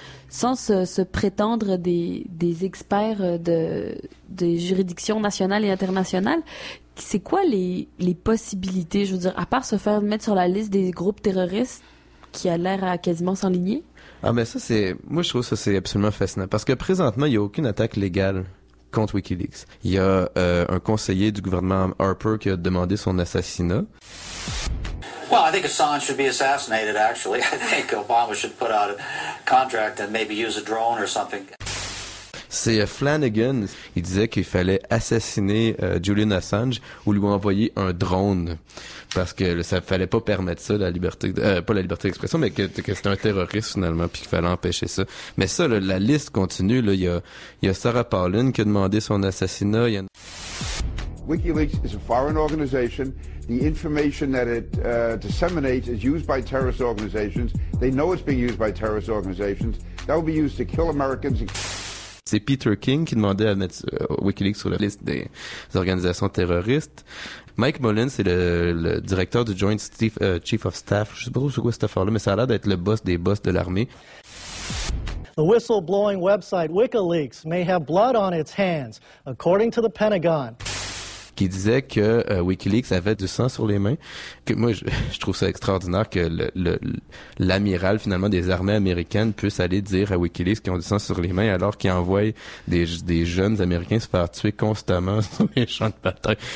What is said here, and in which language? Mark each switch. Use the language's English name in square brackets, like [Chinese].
[French] Sans se prétendre des experts de juridictions nationales et internationales, c'est quoi les possibilités, je veux dire, à part se faire mettre sur la liste des groupes terroristes qui a l'air à quasiment s'enligner? Ah, mais ça, c'est. Moi, je trouve ça, c'est absolument fascinant. Parce que présentement, il n'y a aucune attaque légale contre Wikileaks. Il y a un conseiller du gouvernement Harper qui a demandé son assassinat. [English] Well, I think Assange should be assassinated, actually. I think Obama should put out a contract and maybe use a drone or something. [French] C'est Flanagan, il disait qu'il fallait assassiner Julian Assange ou lui envoyer un drone parce que ça fallait pas permettre ça, la liberté pas la liberté d'expression, mais que c'était un terroriste finalement, puis qu'il fallait empêcher ça. Mais ça, la liste continue. Là, il y a Sarah Palin qui a demandé son assassinat. Il y a... [English] WikiLeaks is a foreign organization. The information that it disseminates is used by terrorist organizations. They know it's being used by terrorist organizations. That will be used to kill Americans. [French] C'est Peter King qui demandait à mettre WikiLeaks sur la liste des organisations terroristes. Mike Mullen, c'est le directeur du Joint Chief of Staff. Je sais pas trop sur quoi cette affaire-là, mais ça a l'air d'être le boss des boss de l'armée. [English] The whistleblowing website WikiLeaks may have blood on its hands, according to the Pentagon. [French] Qui disait que WikiLeaks avait du sang sur les mains. Que moi, je trouve ça extraordinaire que l'amiral, finalement, des armées américaines puisse aller dire à WikiLeaks qu'ils ont du sang sur les mains alors qu'ils envoient des jeunes Américains se faire tuer constamment sur les champs de bataille.